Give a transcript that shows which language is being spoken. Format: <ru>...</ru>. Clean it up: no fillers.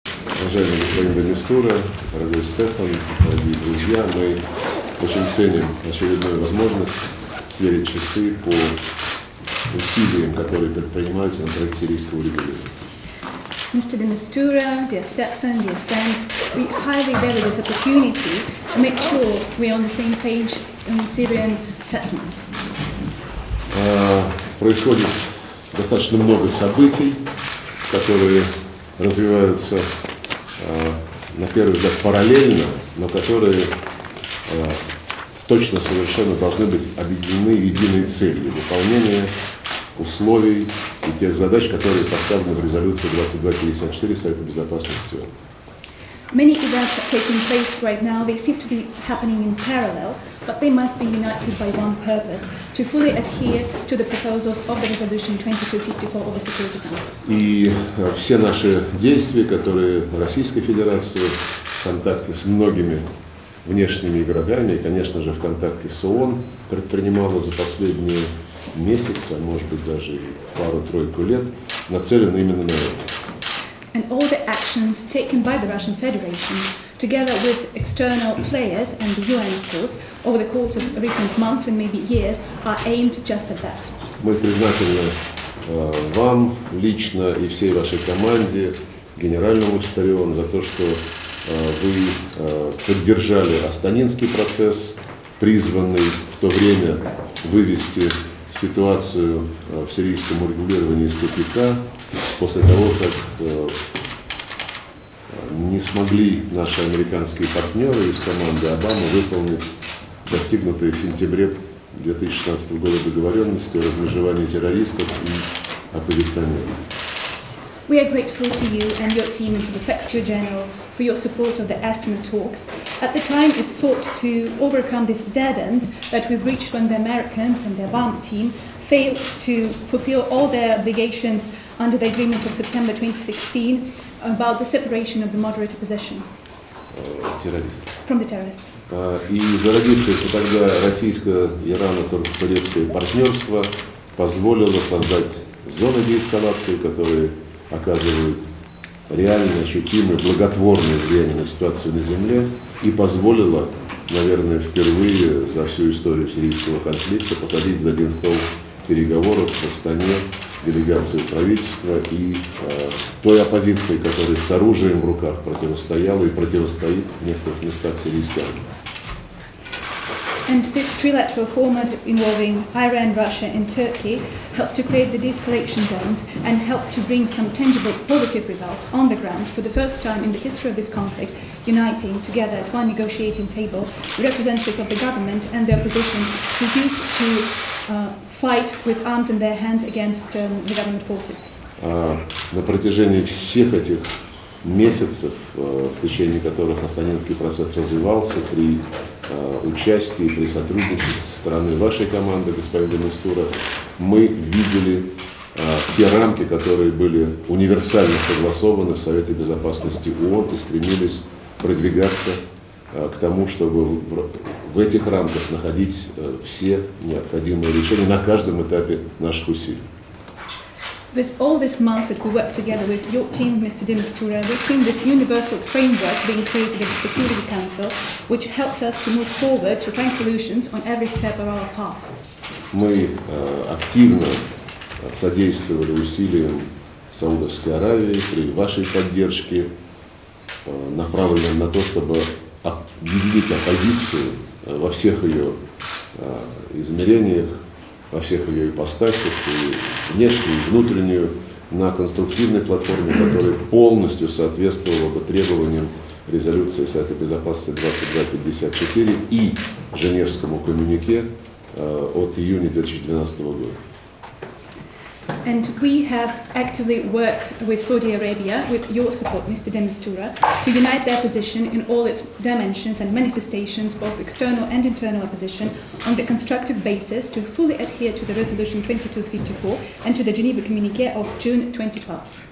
<ru>уважаемый господин де Мистура, дорогой Стефан, дорогие друзья, мы очень ценим очередную возможность сверить часы по усилиям, которые предпринимаются на проекте сирийского урегулирования.</ru> <en>Mr. de Mistura, dear Stefan, dear friends, we highly value this opportunity to make sure we are on the same page in the Syrian settlement.</en> <ru>Происходит достаточно много событий, которые развиваются, на первый взгляд, параллельно, но которые точно совершенно должны быть объединены единой целью выполнения условий и тех задач, которые поставлены в резолюции 2254 Совета Безопасности ООН.</ru> <en>Many events are taking place right now. They seem to be happening in parallel, but they must be united by one purpose – to fully adhere to the proposals of the Resolution 2254 of the Security Council.</en> <ru>И все наши действия, которые Российская Федерация в контакте с многими внешними игроками, и, конечно же, в контакте с ООН предпринимала за последние месяцы, а может быть, даже пару-тройку лет, нацелены именно на это.</ru> <en>And all the actions taken by the Russian Federation, together with external players and the UN, of course, over the course of recent months and maybe years, are aimed just at that.</en> <ru>Мы признательны вам лично и всей вашей команде, генеральному секретарю, за то, что вы поддержали Астанинский процесс, призванный в то время вывести ситуацию в сирийском урегулировании из тупика. После того, как не смогли наши американские партнеры из команды Обамы выполнить достигнутые в сентябре 2016 года договоренности о размежевании террористов и оппозиционеров.</ru> <en>We are grateful to you and your team and to the Secretary General for your support of the Astana talks. At the time, it sought to overcome this dead end that we've reached when the Americans and the Obama team failed to fulfill all their obligations under the agreement of September 2016 about the separation of the moderate opposition from the terrorists.</en> <ru>И зародившееся тогда российско-ирано-турецкое партнерство позволило создать зоны деэскалации, которые оказывают реально ощутимое благотворное влияние на ситуацию на земле и позволило, наверное, впервые за всю историю сирийского конфликта посадить за один стол переговоров в Астане делегацию правительства и той оппозиции, которая с оружием в руках противостояла и противостоит в некоторых местах сирийской армии.</ru> <en>And this trilateral format involving Iran, Russia and Turkey helped to create the de-escalation zones and helped to bring some tangible positive results on the ground for the first time in the history of this conflict, uniting together at one negotiating table representatives of the government and the opposition who used to fight with arms in their hands against the government forces.</en> <ru>На протяжении всех этих месяцев, в течение которых Астанинский процесс развивался, при участии, при сотрудничестве со стороны вашей команды, господин де Мистура, мы видели те рамки, которые были универсально согласованы в Совете Безопасности ООН и стремились продвигаться к тому, чтобы в этих рамках находить все необходимые решения на каждом этапе наших усилий.</ru> <en>With all these months that we worked together with your team, Mr. de Mistura, we've seen this universal framework being created in the Security Council, which helped us to move forward to find solutions on every step of our path.</en> <ru>Мы активно содействовали усилиям Саудовской Аравии при вашей поддержке, направленным на то, чтобы объединить оппозицию во всех ее измерениях, во всех ее ипостасях, и внешнюю, и внутреннюю, на конструктивной платформе, которая полностью соответствовала бы требованиям резолюции Совета Безопасности 2254 и Женевскому коммюнике от июня 2012 года.</ru> <en>And we have actively worked with Saudi Arabia, with your support, Mr. de Mistura, to unite their position in all its dimensions and manifestations, both external and internal opposition, on the constructive basis to fully adhere to the Resolution 2254 and to the Geneva Communique of June 2012.</en>